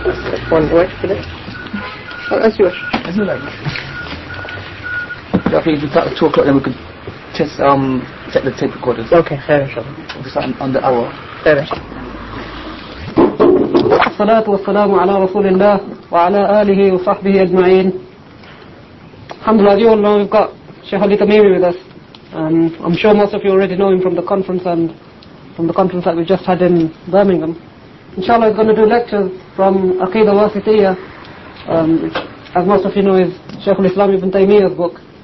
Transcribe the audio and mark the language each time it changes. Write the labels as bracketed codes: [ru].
[en] That's one voice for this. Oh, that's yours. That's a lot. Yeah, I think if we start at 2 o'clock, then we could test, set the tape recorders. Okay, fair enough. We start on the hour. Fair enough. [ar] الصلاة والسلام على رسول الله وعلى آله وصحبه أجمعين. الحمد لله. [en] You all know we've got Sheikh Ali Tamimi with us. I'm sure most of you already know him from the conference and from the conference that we just had in Birmingham. Inshallah, he's going to do lectures from Aqeedah Wasitiyah, as most of you know, is Sheikh Al-Islam Ibn Taymiyyah's book.